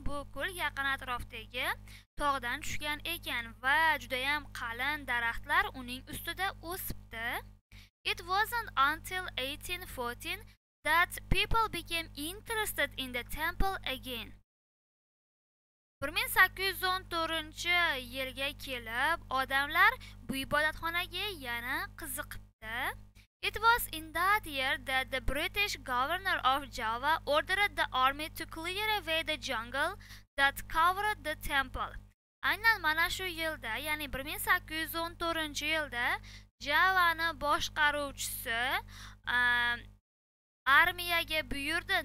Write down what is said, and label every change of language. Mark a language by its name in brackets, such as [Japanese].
[Uzbek] Bu kul yaqin atrofdagi tog'dan tushgan ekan va juda ham qalin daraxtlar uning ustida o'sibdi. [English] It wasn't until 1814 that people became interested in the temple again. [Uzbek] 1814-chi yilga kelib, odamlar bu ibodatxonaga yana qiziqdi. [English] It was in that year that the British governor of Java ordered the army to clear away the jungle that covered the temple. [Uzbek] Aynan mana shu yilda, ya'ni 1814-yilda Java'ni boshqaruvchisi armiyaga buyurdi.